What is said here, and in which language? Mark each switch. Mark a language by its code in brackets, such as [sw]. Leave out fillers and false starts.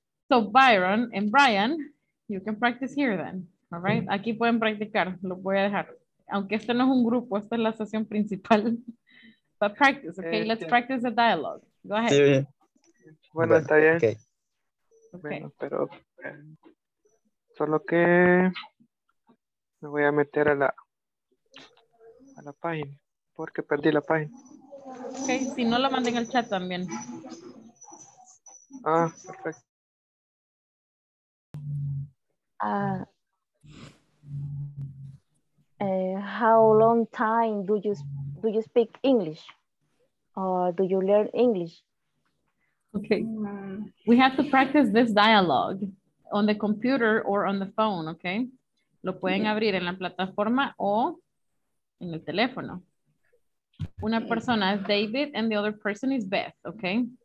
[en] So Byron and Brian, you can practice here then. All right. [es] Aquí pueden practicar. Lo voy a dejar. Aunque este no es un grupo, esta es la sesión principal. [en] But practice, okay? Let's practice the dialogue. Go ahead. [es] Bueno, bueno, está bien. [en] Okay. [es] Bueno, pero solo que me voy a meter a la página, porque perdí la página. Okay, si no lo mandé en el chat también. [en] perfect. How long time do you speak English? Or do you learn English? Okay. We have to practice this dialogue on the computer or on the phone, okay? [es] Lo pueden abrir en la plataforma o en el teléfono. Una persona es [en] David and the other person is Beth, okay?